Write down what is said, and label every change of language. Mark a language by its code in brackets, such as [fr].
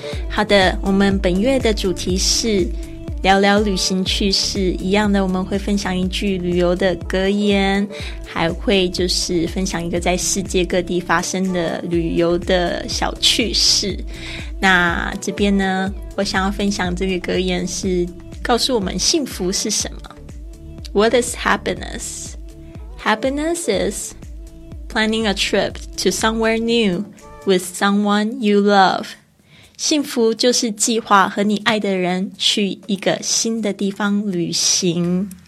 [zh] 好的，我们本月的主题是聊聊旅行趣事，一样的我们会分享一句旅游的格言，还会就是分享一个在世界各地发生的旅游的小趣事。那这边呢我想要分享这个格言是告诉我们幸福是什么。 [en] What is happiness? Happiness is planning a trip to somewhere new with someone you love。 [zh] 幸福就是计划和你爱的人去一个新的地方旅行。